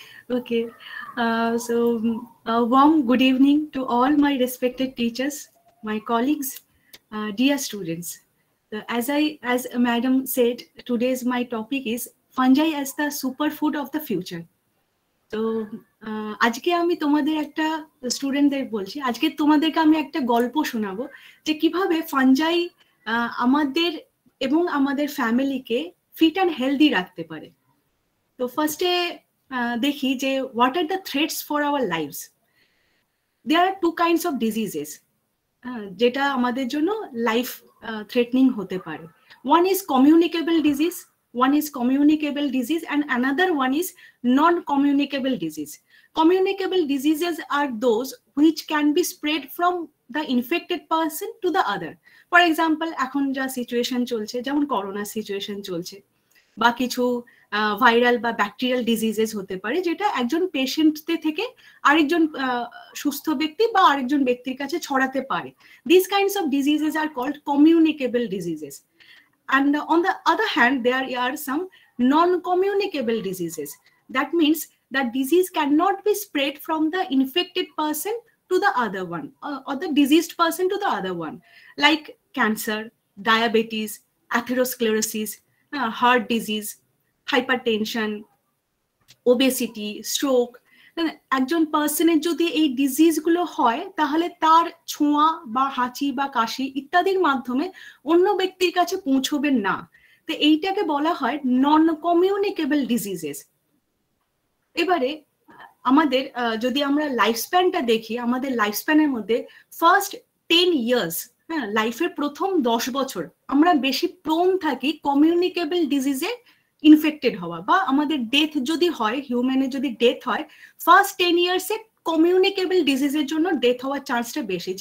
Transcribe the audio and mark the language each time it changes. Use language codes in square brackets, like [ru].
[en] Okay, so a warm good evening to all my respected teachers, my colleagues, dear students. As Madam said, today's my topic is fungi as the superfood of the future. [bn] So, আজকে আমি তোমাদের একটা স্টুডেন্টদের বলছি, আজকে তোমাদেরকে আমি একটা গল্প শোনাবো যে কিভাবে ফাঞ্জাই আমাদের এবং আমাদের ফ্যামিলিকে ফিট অ্যান্ড হেলদি রাখতে পারে। তো ফার্স্টে দেখি যে [en] What are the threats for our lives. They are two kinds of diseases [bn] যেটা আমাদের জন্য লাইফ থ্রেটনিং হতে পারে। [en] One is communicable disease, one is communicable disease, and another one is non-communicable disease. Communicable diseases are those which can be spread from the infected person to the other. For example, [bn] এখন যা situation চলছে, যেমন corona situation চলছে, বা কিছু viral বা bacterial diseases হতে পারে, যেটা একজন পেশেন্টতে থেকে আরেকজন সুস্থ ব্যক্তি বা আরেকজন ব্যক্তির কাছে ছড়াতে পারে। [en] These kinds of diseases are called communicable diseases. And on the other hand, there are some non-communicable diseases. That means that disease cannot be spread from the infected person to the other one, or the diseased person to the other one, like cancer, diabetes, atherosclerosis, heart disease, hypertension, obesity, stroke. [bn] একজন পার্সনের যদি এই ডিজিজগুলো হয়, তাহলে তার ছোঁয়া বা হাঁচি বা কাশি ইত্যাদির মাধ্যমে অন্য ব্যক্তির কাছে পৌঁছবে না। তো এইটাকে বলা হয় নন কমিউনিকেবল ডিজিজেস। এবারে আমাদের যদি আমরা লাইফ স্প্যানটা দেখি, আমাদের লাইফ স্প্যানের মধ্যে ফার্স্ট 10 ইয়ার্স, হ্যাঁ, লাইফের প্রথম 10 বছর আমরা বেশি প্রোন থাকি কমিউনিকেবল ডিজিজে ইনফেক্টেড হওয়া, বা আমাদের ডেথ যদি হয়, হিউম্যানে যদি ডেথ হয়, ফার্স্ট 10 ইয়ার্সে কমিউনিকেবল ডিজিজের জন্য ডেথ হওয়ার চান্সটা বেশি।